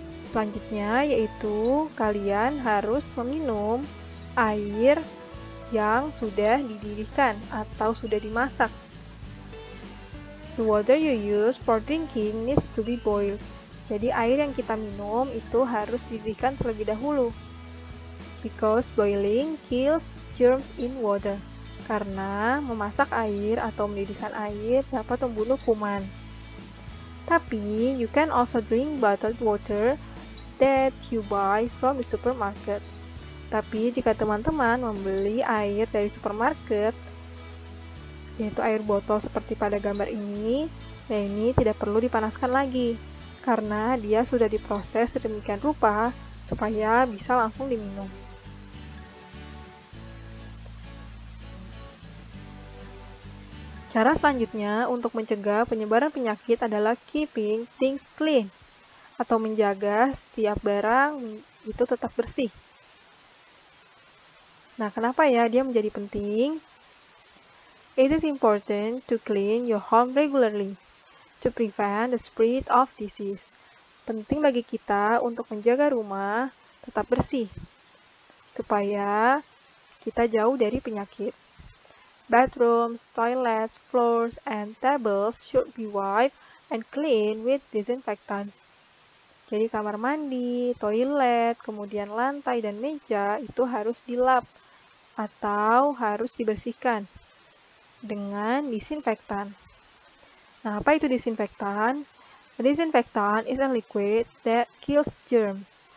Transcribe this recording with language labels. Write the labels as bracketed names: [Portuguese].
[Indonesian] Selanjutnya, yaitu kalian harus meminum air yang sudah didihkan atau sudah dimasak. [English] The water you use for drinking needs to be boiled. [Indonesian] Jadi air yang kita minum itu harus didihkan terlebih dahulu. [English] Because boiling kills germs in water. [Indonesian] Karena memasak air atau mendidihkan air dapat membunuh kuman. Tapi [English] you can also drink bottled water that you buy from the supermarket. [Indonesian] Tapi jika teman-teman membeli air dari supermarket, yaitu air botol seperti pada gambar ini, nah ini tidak perlu dipanaskan lagi, karena dia sudah diproses sedemikian rupa supaya bisa langsung diminum. Cara selanjutnya untuk mencegah penyebaran penyakit adalah [English] keeping things clean, [Indonesian] atau menjaga setiap barang itu tetap bersih. Nah, kenapa ya dia menjadi penting? [English] It is important to clean your home regularly to prevent the spread of disease. [Indonesian] Penting bagi kita untuk menjaga rumah tetap bersih supaya kita jauh dari penyakit. [English] Bathrooms, toilets, floors, and tables should be wiped and cleaned with disinfectants. [Indonesian] Jadi kamar mandi, toilet, kemudian lantai dan meja itu harus dilap atau harus dibersihkan dengan disinfektan. Nah, apa itu disinfektan? [English] Disinfektan is a liquid that kills germs.